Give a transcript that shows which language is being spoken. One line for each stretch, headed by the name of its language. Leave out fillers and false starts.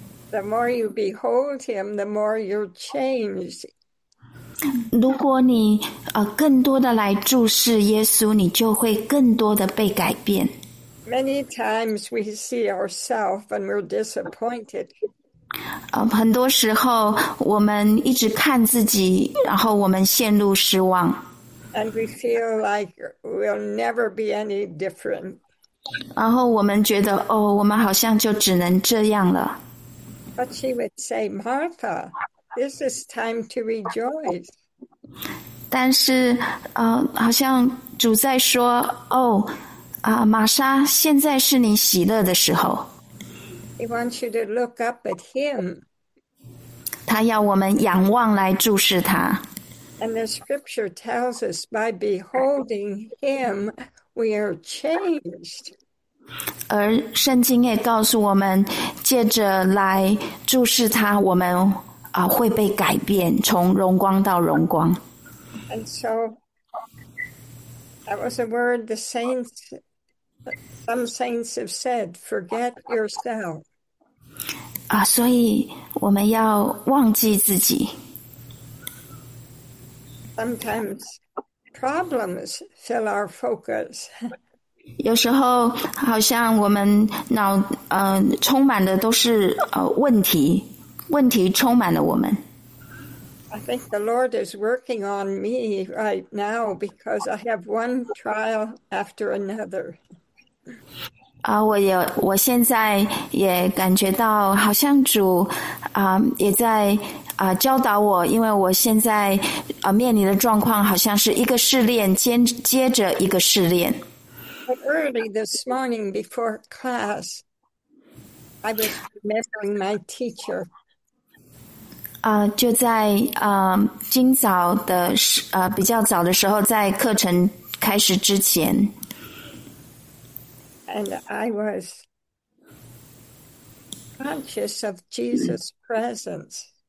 English: The more you behold him, the more you're changed.
Chinese: 如果你更多的来注视耶稣，你就会更多的被改变。
English: Many times we see ourselves and we're disappointed.
Chinese: 很多时候我们一直看自己，然后我们陷入失望。
English: And we feel like we'll never be any different.
Chinese: 然后我们觉得，哦，我们好像就只能这样了。
English: But she would say, Martha, this is time to rejoice.
Chinese: 但是，好像主在说，哦，玛莎，现在是你喜乐的时候。
English: He wants you to look up at him.
Chinese: 他要我们仰望来注视他。
English: And the scripture tells us by beholding him, we are changed.
Chinese: 而圣经也告诉我们，借着来注视他，我们会被改变，从荣光到荣光。
English: And so that was a word the saints, some saints have said, forget yourself.
Chinese: 所以我们要忘记自己。
English: Sometimes problems fill our focus.
Chinese: 有时候好像我们脑充满的都是问题，问题充满了我们。
English: I think the Lord is working on me right now because I have one trial after another.
Chinese: 我现在也感觉到好像主也在教导我，因为我现在面临的状况好像是一个试炼接着一个试炼。
English: Early this morning before class, I was remembering my teacher.
Chinese: 就在今早的时比较早的时候，在课程开始之前。
English: And I was conscious of Jesus' presence.